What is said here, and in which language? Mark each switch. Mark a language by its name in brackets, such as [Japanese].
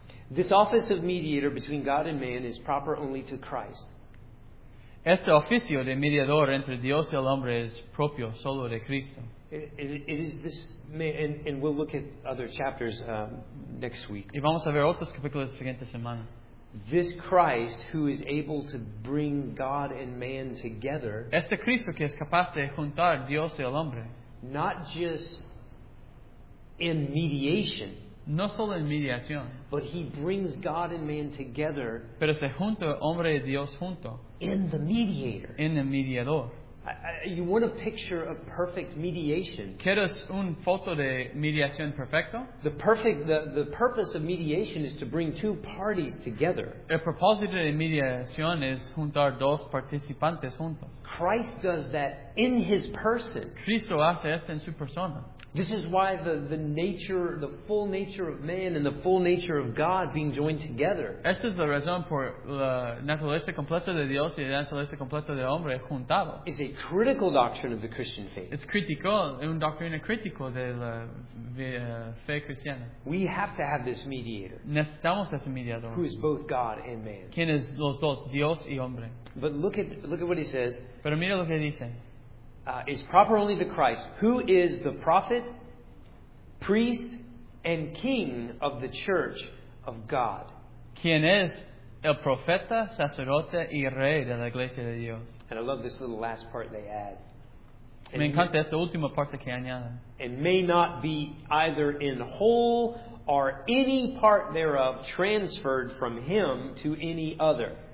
[English] This office of mediator between God and man is proper only to Christ. [Spanish] Este oficio de mediador entre Dios y el hombre es propio solo de Cristo. [English] It is this, and we'll look at other chapters next week. [Spanish] Y vamos a ver otros capítulos la siguiente semana. [English] This Christ who is able to bring God and man together. [Spanish] Este Cristo que es capaz de juntar Dios y el hombre. [English] Not just in mediation, [Spanish] no solo en mediación, [English] but he brings God and man together. [Spanish] Pero se junta hombre y Dios junto. [English] In the mediator, [Spanish] en el mediador. [English] You want a picture of perfect mediation? [Spanish] ¿Quieres un foto de mediación perfecto? [English] The purpose of mediation is to bring two parties together. [Spanish] El propósito de mediación es juntar dos participantes juntos. [English] Christ does that in his person. [Spanish] Cristo hace esto en su persona. [English] This is why the nature, the full nature of man and the full nature of God being joined together. [Spanish] Esa es la razón por la naturaleza completa de Dios y la naturaleza completa del hombre juntado. [English] Is a critical doctrine of the Christian faith. [Spanish] Es crítico, es una doctrina crítica de la fe cristiana. [English] We have to have this mediator. [Spanish] Necesitamos ese mediador. [English] Who is both God and man. [Spanish] Quien es los dos, Dios y hombre. [English] But look at what he says. [Spanish] Pero mira lo que dice. [English] Is proper only to Christ, who is the prophet, priest, and king of the church of God. [Spanish] ¿Quién es el profeta, sacerdote, y rey de la iglesia de Dios? [English] And I love this little last part they add. [Spanish] And me encanta esta última parte que añaden. [English] And may not be either in whole or any part thereof transferred from him to any other.